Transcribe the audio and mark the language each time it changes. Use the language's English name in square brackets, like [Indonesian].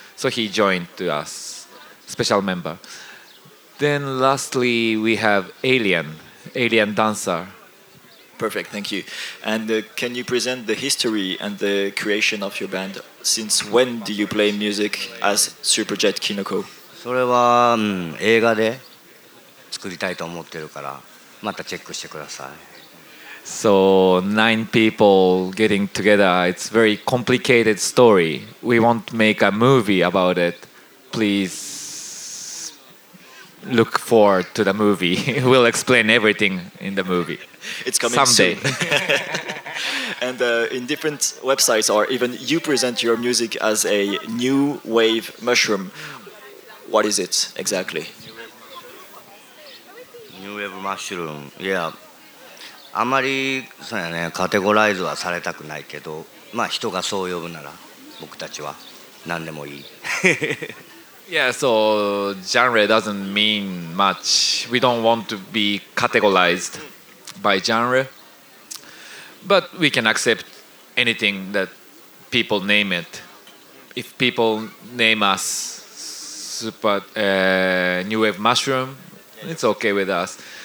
[English] So he joined to us, special member. Then lastly, we have Alien Dancer. Perfect, thank you. And can you present the history and the creation of your band? Since when do you play music as Superjet Kinoko? [Japanese] それは映画で作りたいと思ってるから、またチェックしてください。 [English] So nine people getting together, it's a very complicated story. We won't make a movie about it. Please look forward to the movie. We'll explain everything in the movie. It's coming someday. Soon. And in different websites or even you present your music as a new wave mushroom. What is it exactly? New wave mushroom, yeah. [Japanese] あまりそうやね、カテゴライズはされたくないけど、まあ人がそう呼ぶなら僕たちは何でもいい。 [English] Yeah, so genre doesn't mean much. We don't want to be categorized by genre. But we can accept anything that people name it. If people name us super, New Wave Mushroom, it's okay with us.